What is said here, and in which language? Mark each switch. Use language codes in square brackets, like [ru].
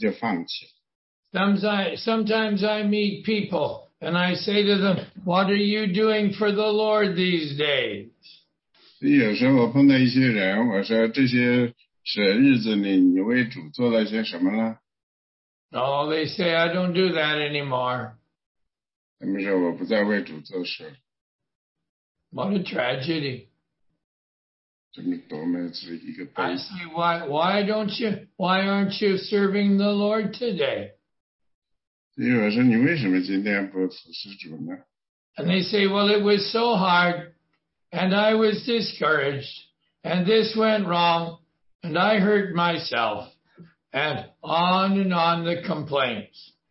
[zh] 所以呢，很多男人或者很多女人呢，他们在试炼刚开始的时候，他们表现很好，但是过了一段时间以后呢，他们就放弃。 [en] Sometimes I meet people and I say to them, "What are you doing for the Lord these days?" [zh] 所以有时候我碰到一些人，我说这些日子里你为主做了些什么呢？ [en] Oh, they say I don't do that anymore. [zh] 他们说我不再为主做事。 [en] What a tragedy. [zh] 这么多么一个悲剧。 [en] I say, why aren't you serving the Lord today? [zh] 所以我说你为什么今天不服侍主呢？ [en] And they say, well, it was so hard. And I was discouraged, and this went wrong, and I hurt myself, and on the complaints.